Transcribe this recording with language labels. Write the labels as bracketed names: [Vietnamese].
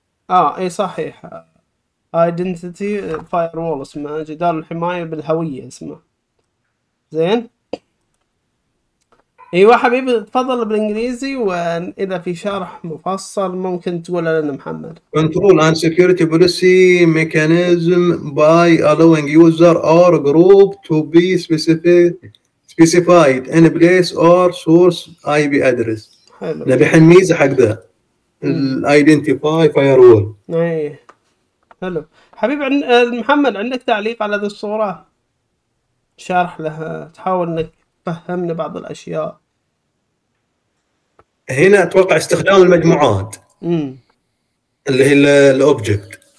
[Arabic] اها اي صحيح ايدنتيتي فايروول اسمه جدار الحماية بالهوية اسمه. زين ايوه حبيبي تفضل بالانجليزي واذا في شرح مفصل ممكن تقول لنا محمد. [English] Control and security policy mechanism by allowing user or group to be specified in place or source IP address. [Arabic] نبي حن ميزة حق ذا Identify firewall. ايه حلو حبيبي. محمد عندك تعليق على ذي الصورة شرح لها تحاول انك تفهمنا بعض الاشياء هنا؟ اتوقع استخدام المجموعات اللي هي الاوبجكت.